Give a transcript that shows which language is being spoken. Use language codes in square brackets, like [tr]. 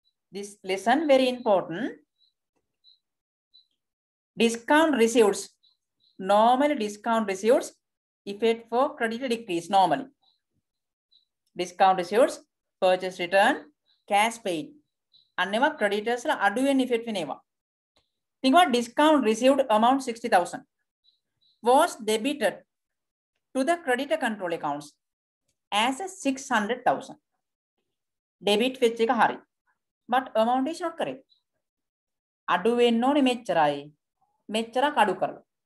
[en] This lesson very important. Discount receipts normally discount receipts. Effect for credit decrease normally. Discount receipts, purchase return, cash paid, [si] අන්නේවා creditors ලා අඩු වෙන effect වෙනවා. [en] Think about discount received amount 60,000 was debited to the creditor control accounts as a 600,000 [si] debit වෙච්ච එක හරි. [en] But amount is not correct. [si] අඩු වෙන්න ඕනේ මෙච්චරයි. මෙච්චරක් අඩු කරලා.